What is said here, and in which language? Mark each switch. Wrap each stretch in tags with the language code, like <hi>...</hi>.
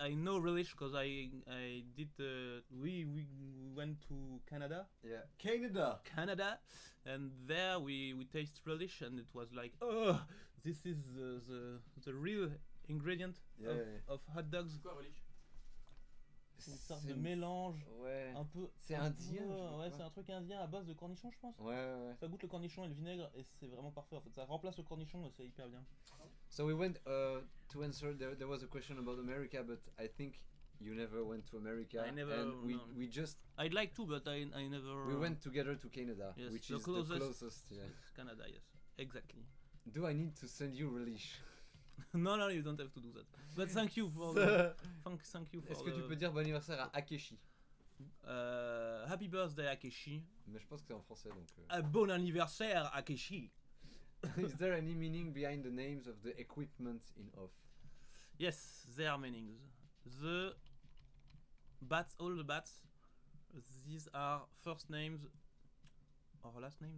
<en>I know relish because I did. We went to Canada. Yeah, Canada. Canada, and there we taste relish, and it was like, oh, this is the real ingredient of hot dogs.</en> <fr>Quoi, relish? C'est une sorte de mélange. Ouais. Un peu. C'est indien. Ouais, c'est un truc indien à base de cornichons, je pense. Ouais. Ça goûte le cornichon et le vinaigre et c'est vraiment parfait. En fait, ça remplace le cornichon et c'est hyper bien.</fr> <en>So we went to answer. There was a question about America, but I think you never went to America. I never. And no. We just. I'd like to, but I never. We went together to Canada, yes, which the is closest, the closest. Yeah. Canada, yes. Exactly. Do I need to send you relish? No, you don't have to do that. But thank you for thank you for.</en> <fr>Est-ce que tu peux dire bon anniversaire à Akeshi?</fr> <en>Happy birthday, Akeshi.</en> <fr>Mais je pense que c'est en français donc. Bon anniversaire, Akeshi.</fr> <en>Is there any meaning behind the names of the equipment in Off? Yes, there are meanings. The bats, all the bats, these are first names or last name?</en>